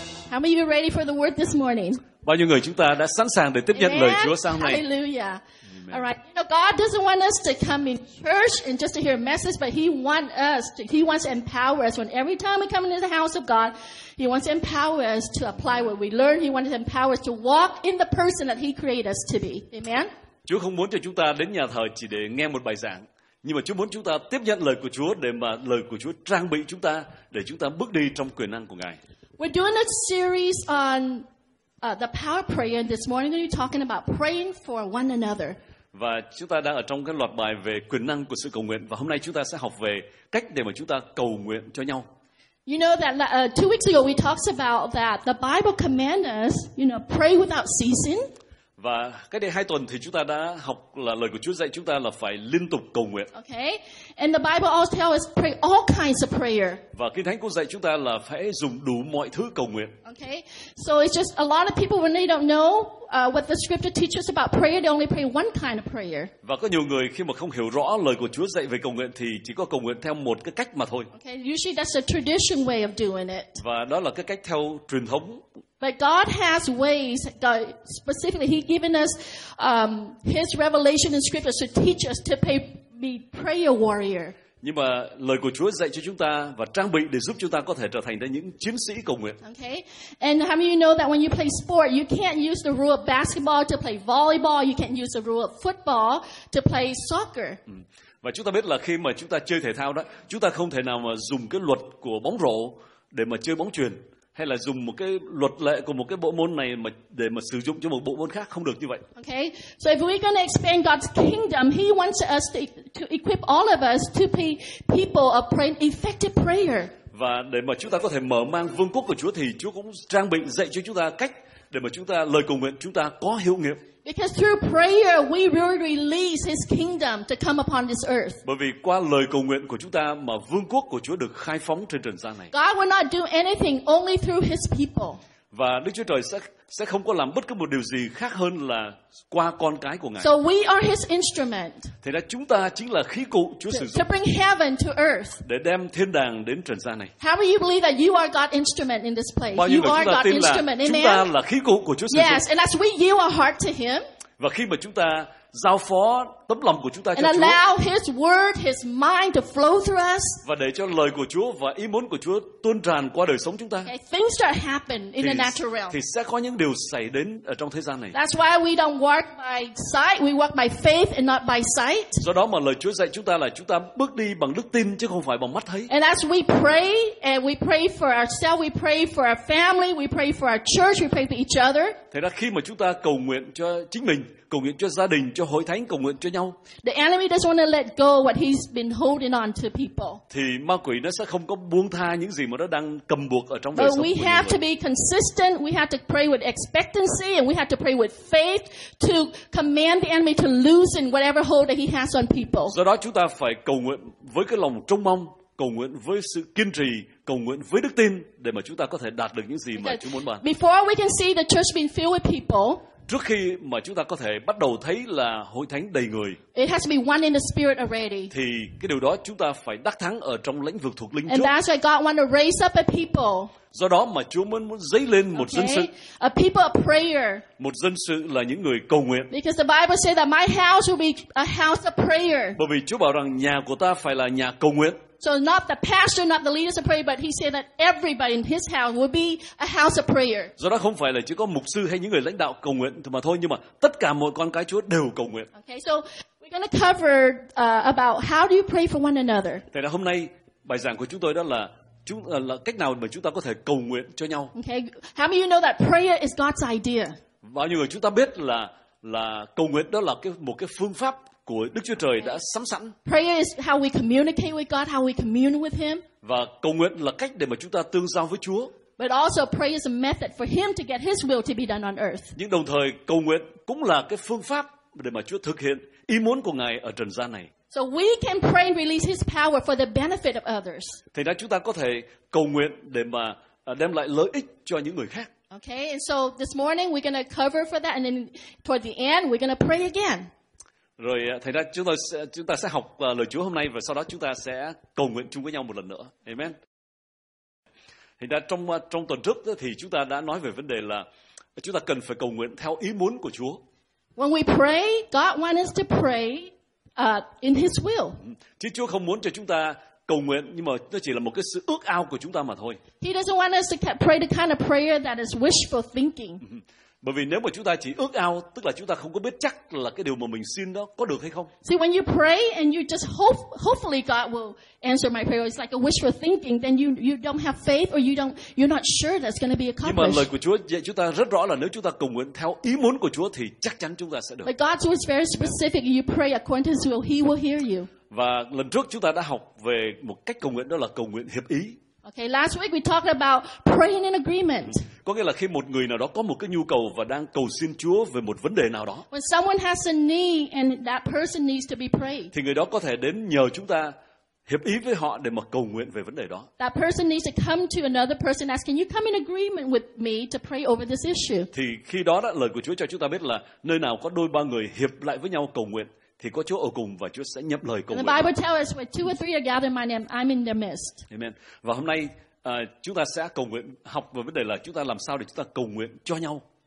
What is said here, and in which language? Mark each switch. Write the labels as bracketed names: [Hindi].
[English] How many of you are ready for the word this morning? [Korean] 뭐 여러분 [Vietnamese] chúng ta đã sẵn sàng để tiếp nhận lời Chúa sáng nay. [English] Hallelujah. All right. You know, God doesn't want us to come in church and just to hear a message, but He wants to empower us. When every time we come into the house of God, He wants to empower us to apply what we learn. He wants to empower us to walk in the person that He created us to be. Amen. [Vietnamese] Chúa không muốn cho chúng ta đến nhà thờ chỉ để nghe một bài giảng, nhưng mà Chúa muốn chúng ta tiếp nhận lời của Chúa để mà lời của Chúa trang bị chúng ta để chúng ta bước đi trong quyền năng của Ngài. [English] We're doing a series on the power prayer. This morning we're going to be talking about praying for one another. [Vietnamese] Và chúng ta đang ở trong cái loạt bài về quyền năng của sự cầu nguyện, và hôm nay chúng ta sẽ học về cách để mà chúng ta cầu nguyện cho nhau. [English] You know that 2 weeks ago we talked about that the Bible commands us, you know, pray without ceasing. [Vietnamese] Và cách đây 2 tuần thì chúng ta đã học là lời của Chúa dạy chúng ta là phải liên tục cầu nguyện. [English] Okay. And the Bible also tells us pray all kinds of prayer. [Vietnamese] Và Kinh Thánh cũng dạy chúng ta là phải dùng đủ mọi thứ cầu nguyện. [English] Okay. So it's just a lot of people when they don't know what the scripture teaches about prayer, they only pray one kind of prayer. [Vietnamese] Và có nhiều người khi mà không hiểu rõ lời của Chúa dạy về cầu nguyện thì chỉ có cầu nguyện theo một cái cách mà thôi. [English] Okay. Usually that's a tradition way of doing it. [Vietnamese] Và đó là cái cách theo truyền thống. [English] But God has ways, God, specifically He's given us His revelation in scriptures to teach us to be prayer warrior. [Vietnamese] Nhưng mà lời của Chúa dạy cho chúng ta và trang bị để giúp chúng ta có thể trở thành những chiến sĩ cầu nguyện. [English] Okay. And how many of you know that when you play sport, you can't use the rule of basketball to play volleyball, you can't use the rule of football to play soccer. [Vietnamese] Và chúng ta biết là khi mà chúng ta chơi thể thao đó, chúng ta không thể nào mà dùng cái luật của bóng rổ để mà chơi bóng chuyền. hay là dùng một cái luật lệ của một cái bộ môn này mà để mà sử dụng cho một bộ môn khác, không được như vậy. [English] Okay. So if we're going to expand God's kingdom, he wants us to equip all of us to be people of praying effective prayer. [Vietnamese] Và để mà chúng ta có thể mở mang vương quốc của Chúa thì Chúa cũng trang bị dạy cho chúng ta cách để mà chúng ta lời cầu nguyện chúng ta có hiệu nghiệm. [English] Because through prayer we will release his kingdom to come upon this earth. [Vietnamese] Bởi vì qua lời cầu nguyện của chúng ta mà vương quốc của Chúa được khai phóng trên trần gian này. [English] God will not do anything only through his people. [Vietnamese] Và Đức Chúa Trời sẽ không có làm bất cứ một điều gì khác hơn là qua con cái của Ngài. [English] So we are his instrument. [Vietnamese] Thế là chúng ta chính là khí cụ Chúa sử dụng. [English] To bring heaven to earth. [Vietnamese] Để đem thiên đàng đến trần gian này. [English] How do you believe that you are God's instrument in this place? [Vietnamese] Bao [English] you are God's instrument. Amen. [Vietnamese] Chúng ta là khí cụ của Chúa sử dụng. [English] Yes, and as we yield our heart to him. [Vietnamese] Và khi mà chúng ta giao phó tấm lòng của chúng ta cho Chúa. [English] And allow his word, his mind to flow through us. [Vietnamese] Và để cho lời của Chúa và ý muốn của Chúa tuôn tràn qua đời sống chúng ta. [English] Okay, things start happen in the natural realm. [Vietnamese] Thì sẽ có những điều xảy đến ở trong thế gian này. [English] That's why we don't walk by sight, we walk by faith and not by sight. [Vietnamese] Do đó mà lời Chúa dạy chúng ta là chúng ta bước đi bằng đức tin chứ không phải bằng mắt thấy. [English] And as we pray and we pray for ourselves, we pray for our family, we pray for our church, we pray for each other. [Vietnamese] Thế là khi mà chúng ta cầu nguyện cho chính mình, cầu nguyện cho gia đình, cho hội thánh, cầu nguyện cho nhau. [English] The enemy doesn't want to let go what he's been holding on to people. [Vietnamese] Thì ma quỷ nó sẽ không có buông tha những gì mà nó đang cầm buộc ở trong đời sống. [English] But we have to be consistent, we have to pray with expectancy and we have to pray with faith to command the enemy to loosen whatever hold that he has on people. [Vietnamese] Do đó chúng ta phải cầu nguyện với cái lòng trông mong, cầu nguyện với sự kiên trì, cầu nguyện với đức tin để mà chúng ta có thể đạt được những gì mà Chúa muốn ban. [English] Before we can see the church being filled with people. [Vietnamese] Trước khi mà chúng ta có thể bắt đầu thấy là hội thánh đầy người, [English] it has to be one in the spirit already. [Vietnamese] Thì cái điều đó chúng ta phải đắc thắng ở trong lĩnh vực thuộc linh. [English] And that's why God wants to raise up a people. [Vietnamese] Do đó mà Chúa muốn dấy lên một [English] okay. [Vietnamese] dân sự. [English] A people of prayer. [Vietnamese] Một dân sự là những người cầu nguyện. [English] Because the Bible says that my house will be a house of prayer. [Vietnamese] Bởi vì Chúa bảo rằng nhà của ta phải là nhà cầu nguyện. [English] So not the pastor, not the leaders of prayer, but he said that everybody in his house would be a house of prayer. [Vietnamese] Do đó không phải là chỉ có mục sư hay những người lãnh đạo cầu nguyện mà thôi, nhưng mà tất cả mọi con cái Chúa đều cầu nguyện. [English] Okay, so we're going to cover about how do you pray for one another. [Vietnamese] Thế là hôm nay bài giảng của chúng tôi đó là cách nào mà chúng ta có thể cầu nguyện cho nhau. [English] Okay, how many of you know that prayer is God's idea? [Vietnamese] Bao nhiêu người chúng ta biết là cầu nguyện đó là một cái phương pháp của Đức Chúa Trời đã sắm sẵn. [English] Prayer is how we communicate with God, how we commune with him. [Vietnamese] Và cầu nguyện là cách để mà chúng ta tương giao với Chúa. [English] But also prayer is a method for him to get his will to be done on earth. [Vietnamese] Nhưng đồng thời cầu nguyện cũng là cái phương pháp để mà Chúa thực hiện ý muốn của Ngài ở trần gian này. [English] So we can pray and release his power for the benefit of others. [Vietnamese] Thì đó chúng ta có thể cầu nguyện để mà đem lại lợi ích cho những người khác. [English] Okay, and so this morning we're going to cover for that and then toward the end we're going to pray again. [Vietnamese] Rồi thầy đã chúng ta sẽ học lời Chúa hôm nay và sau đó chúng ta sẽ cầu nguyện chung với nhau một lần nữa. Amen. Thì đã trong tuần trước thì chúng ta đã nói về vấn đề là chúng ta cần phải cầu nguyện theo ý muốn của Chúa. [English] When we pray, God wants us to pray in his will. [Vietnamese] Chứ Chúa không muốn cho chúng ta cầu nguyện nhưng mà nó chỉ là một cái sự ước ao của chúng ta mà thôi. [English] He doesn't want us to pray the kind of prayer that is wishful thinking. [Vietnamese] Bởi vì nếu mà chúng ta chỉ ước ao, tức là chúng ta không có biết chắc là cái điều mà mình xin đó có được hay không. [English] See, when you pray and you just hopefully God will answer my prayer, it's like a wishful thinking, then you don't have faith or you're not sure that's going to be accomplished. [Vietnamese] Nhưng mà lời của Chúa dạy chúng ta rất rõ là nếu chúng ta cầu nguyện theo ý muốn của Chúa thì chắc chắn chúng ta sẽ được. [English] But God's word is very specific. You pray according to his will, he will hear you. [Vietnamese] Và lần trước chúng ta đã học về một cách cầu nguyện đó là cầu nguyện hiệp ý. [English] Okay, last week we talked about praying in agreement. [Vietnamese] Có nghĩa là khi một người nào đó có một cái nhu cầu và đang cầu xin Chúa về một vấn đề nào đó. [English] When someone has a need and that person needs to be prayed. [Vietnamese] Thì người đó có thể đến nhờ chúng ta hiệp ý với họ để mà cầu nguyện về vấn đề đó. [English] That person needs to come to another person asking, "Can you come in agreement with me to pray over this issue?" [Vietnamese] Thì khi đó đó lời của Chúa cho chúng ta biết là nơi nào có đôi ba người hiệp lại với nhau cầu nguyện thì có Chúa ở cùng và Chúa sẽ nhập lời cùng. [English] The Bible tells us where two or three are gathered in my name, I'm in their midst. Amen. [Vietnamese] Và hôm nay chúng ta sẽ cầu nguyện học về vấn đề là chúng ta làm sao để chúng ta cầu nguyện cho nhau.